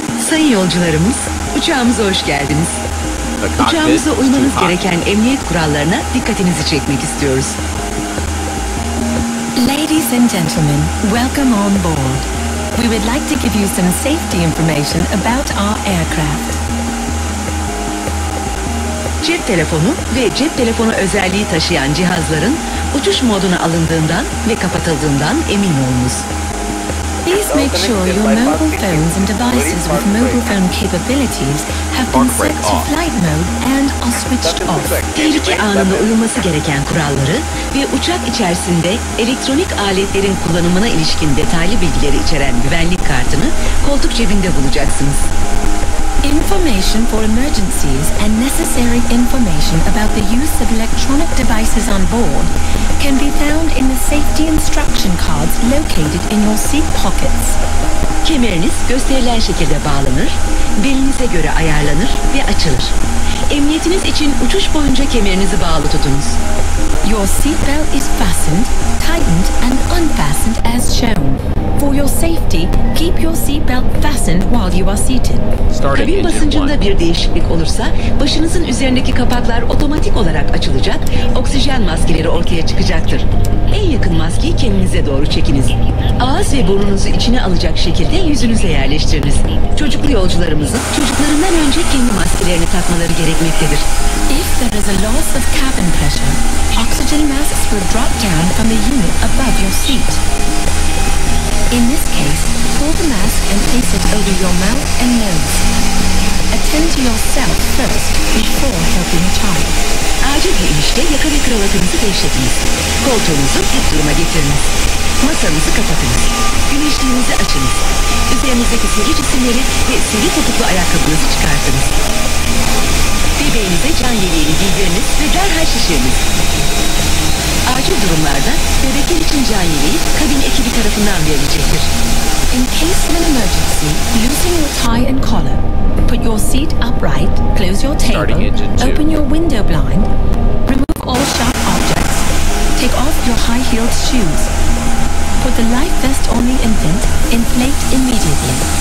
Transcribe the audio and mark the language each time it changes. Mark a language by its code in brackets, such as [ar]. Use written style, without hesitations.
[tr] Sayın yolcularımız, uçağımıza hoş geldiniz. Uçağımıza uymanız gereken emniyet kurallarına dikkatinizi çekmek istiyoruz. [en] Ladies and gentlemen, welcome on board. We would like to give you some safety information about our aircraft. [tr] Cep telefonu ve cep telefonu özelliği taşıyan cihazların uçuş moduna alındığından ve kapatıldığından emin olunuz. [en] Please make sure your mobile phones and devices with mobile phone capabilities have been set to flight mode and are switched off. [tr] Tehlike anında uyulması gereken kuralları ve uçak içerisinde elektronik aletlerin kullanımına ilişkin detaylı bilgileri içeren güvenlik kartını koltuk cebinde bulacaksınız. [en] Information for emergencies and necessary information about the use of electronic devices on board can be found in the safety instruction cards located in your seat pockets. [tr] Kemeriniz gösterilen şekilde bağlanır, belinize göre ayarlanır ve açılır. Emniyetiniz için uçuş boyunca kemerinizi bağlı tutunuz. [en] Your seat belt is fastened, tightened and unfastened as shown. For your safety, keep your seat belt fastened while you are seated. [tr] Kabin basıncında bir değişiklik olursa, başınızın üzerindeki kapaklar otomatik olarak açılacak, oksijen maskeleri ortaya çıkacaktır. En yakın maskeyi kendinize doğru çekiniz. Ağız ve burnunuzu içine alacak şekilde yüzünüze yerleştiriniz. Çocuklu yolcularımızın çocuklarından önce kendi maskelerini takmaları gerekmektedir. [en] If there is a loss of cabin pressure, oxygen masks will drop down from the unit above your seat. In this case, pull the mask and place it over your mouth and nose. Attend to yourself first before helping a child. [tr] Acil bir inişte yaka ve kravatınızı değiştiriniz. Koltuğunuzu dik duruma getiriniz. Masanızı kapatınız. Güneşliğinizi açınız. Üzerinizdeki sivri cisimleri ve sivri topuklu ayakkabınızı çıkartınız. Bebeğinize can yeleğini giydiriniz ve derhal şişiriniz. Acil durumlarda bebekler için can yeleği kabin ekibi tarafından verilecektir. [en] In case of an emergency, loosen your tie and collar. Put your seat upright, close your table, open your window blind, remove all sharp objects, take off your high-heeled shoes. Put the life vest on the infant, inflate immediately.